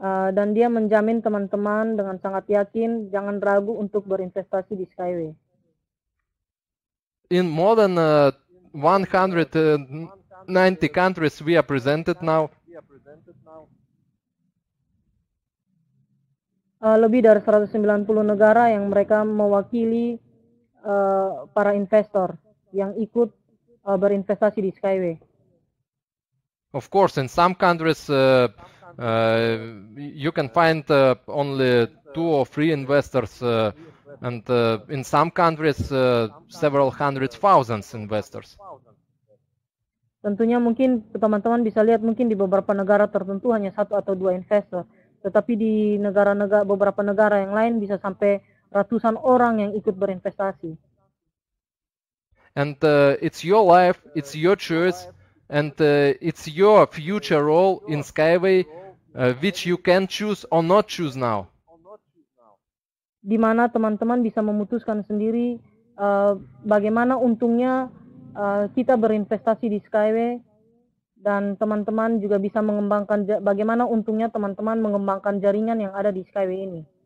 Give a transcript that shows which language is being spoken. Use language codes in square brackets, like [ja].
[id] Dan dia menjamin teman-teman dengan sangat yakin, jangan ragu untuk berinvestasi di Skyway. [en] In more than 190 countries we are presented now. [id] Lebih dari 190 negara yang mereka mewakili para investor yang ikut berinvestasi di Skyway. [en] Of course, in some countries you can find only two or three investors, and in some countries several hundreds, thousands investors. [id] Tentunya mungkin teman-teman bisa lihat mungkin di beberapa negara tertentu hanya satu atau dua investor, tetapi di negara-negara beberapa negara yang lain bisa sampai ratusan orang yang ikut berinvestasi. [en] And it's your life, it's your choice, and it's your future role in Skyway, which you can choose or not choose now. [id] Di mana teman-teman bisa memutuskan sendiri bagaimana untungnya kita berinvestasi di Skyway, dan teman-teman juga bisa mengembangkan bagaimana untungnya teman-teman mengembangkan jaringan yang ada di Skyway ini.